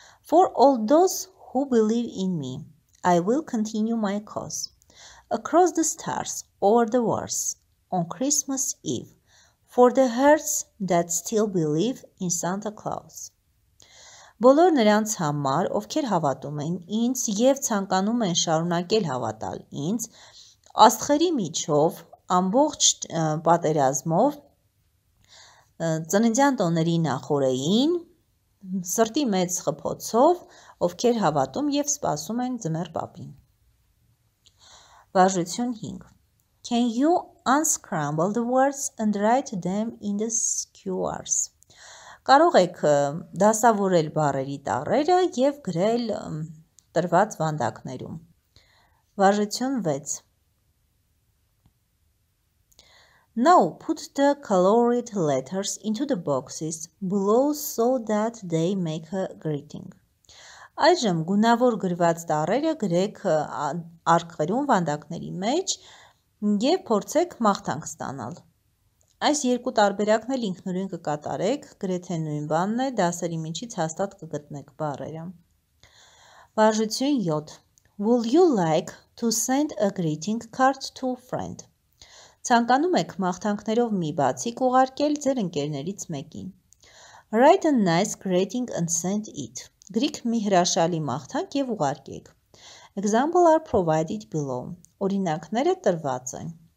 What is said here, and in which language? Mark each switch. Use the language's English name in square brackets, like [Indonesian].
[English] For all those who believe in me, I will continue my cause. Across the stars, over the world, on Christmas Eve, for the hearts that still believe in Santa Claus. [Armenian] Բոլոր նրանց համար, ովքեր հավատում են ինձ և ցանկանում են շարունակել հավատալ ինձ, աստղերի միջով, ամբողջ պատերազմով, ծննդյան տոների նախորեին, սրտի մեծ խփոցով, ովքեր հավատում և սպասում են ձմեր պապին. Վարժություն 5. [English] Can you unscramble the words and write them in the skewers? [Armenian] Կարող եք դասավորել բառերի տառերը և գրել տրված վանդակներում. Վարժություն 6. [English] Now put the colored letters into the boxes below so that they make a greeting. [Armenian] Այժմ գունավոր գրված տառերը գրեք արկղերում վանդակների մեջ և փորձեք մաղթանք ստանալ. Այս երկու տարբերակն էլ ինքնուրույն կկատարեք, գրեթե նույն բանն է, դասերի միջից հաստատ կգտնեք բառերը. Վարժություն 7. [English] Will you like to send a greeting card to friend? [Armenian] Ցանկանում եք մաղթանքներով մի բացիկ ուղարկել ձեր ընկերներից մեկին. [English] Write a nice greeting and send it. [Armenian] Գրիք մի հրաշալի մաղթանք և ուղարկեք. [English] Examples are provided below. [Armenian] Օրինակները տրված են.